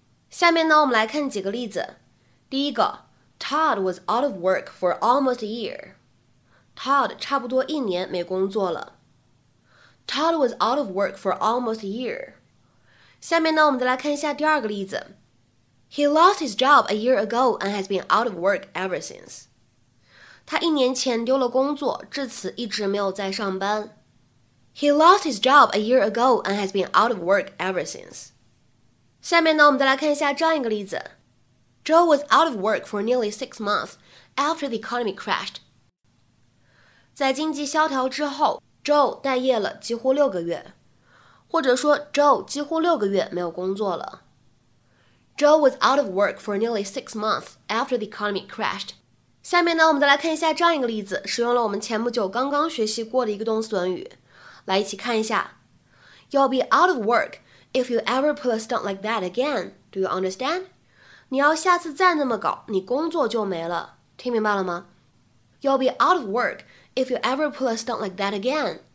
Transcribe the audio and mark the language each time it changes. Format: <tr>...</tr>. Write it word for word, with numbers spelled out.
<zh>下面呢，我们来看几个例子。第一个。</zh> <en>Todd was out of work for almost a year. Todd</en> <zh>差不多一年没工作了。</zh> <en>Todd was out of work for almost a year.</en> <zh>下面呢，我们再来看一下第二个例子。</zh> <en>He lost his job a year ago and has been out of work ever since.</en> <zh>他一年前丢了工作，至此一直没有再上班。</zh> <en>He lost his job a year ago and has been out of work ever since.</en> <zh>下面呢，我们再来看一下这样一个例子。</zh> <en>Joe was out of work for nearly six months after the economy crashed.</en> <zh>在经济萧条之后 Joe 待业了几乎六个月，或者说 Joe 几乎六个月没有工作了。</zh> <en>Joe was out of work for nearly six months after the economy crashed.</en> <zh>下面呢，我们再来看一下这样一个例子，使用了我们前不久刚刚学习过的一个动词短语，来一起看一下。</zh> <en>You'll be out of work if you ever pull a stunt like that again. Do you understand?</en> <zh>你要下次再那么搞，你工作就没了，听明白了吗？</zh> <en>You'll be out of work if you ever pull a stunt like that again.</en>